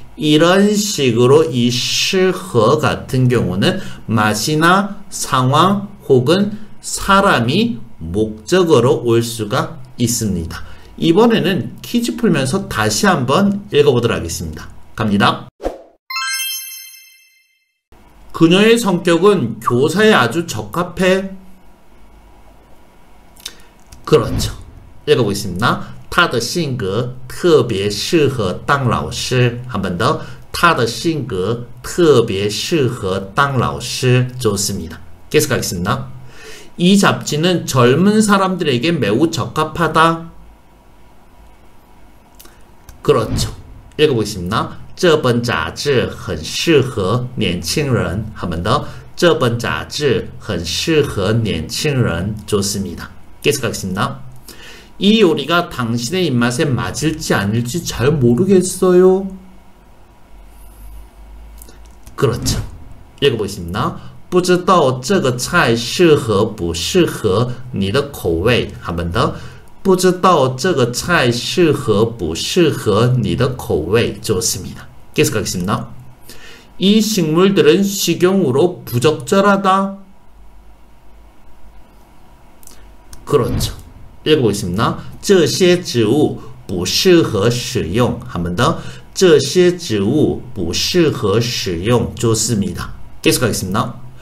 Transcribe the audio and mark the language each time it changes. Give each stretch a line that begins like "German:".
Korean: 이런 식으로 이 适合 같은 경우는 맛이나 상황 혹은 사람이 목적으로 올 수가 있습니다. 이번에는 퀴즈 풀면서 다시 한번 읽어보도록 하겠습니다. 갑니다. 그녀의 성격은 교사에 아주 적합해. 그렇죠. 읽어보겠습니다.
Chinese: 他的性格特别适合当老师.
Korean: 한번 더.
Chinese: 他的性格特别适合当老师.
Korean: 좋습니다. 계속 가겠습니다. 이 잡지는 젊은 사람들에게 매우 적합하다. 그렇죠. 읽어보겠습니다.
Chinese: 这本杂志很适合年轻人.
Korean: 한번 더.
Chinese: 这本杂志很适合年轻人.
Korean: 좋습니다. 계속 가겠습니다. 이 요리가 당신의 입맛에 맞을지 아닐지 잘 모르겠어요. 그렇죠. 읽어보겠습니다.
Chinese: 不知道这个菜适合不适合你的口味.
Korean: 한 번 더.
Chinese: 不知道这个菜适合不适合你的口味.
Korean: 좋습니다. 계속 가겠습니다. 이 식물들은 식용으로 부적절하다. 그렇죠. 읽어보겠습니다.
Chinese: 这些植物不适合使用.
Korean: 한 번 더.
Chinese: 这些植物不适合使用.
Korean: 좋습니다. 계속 가겠습니다.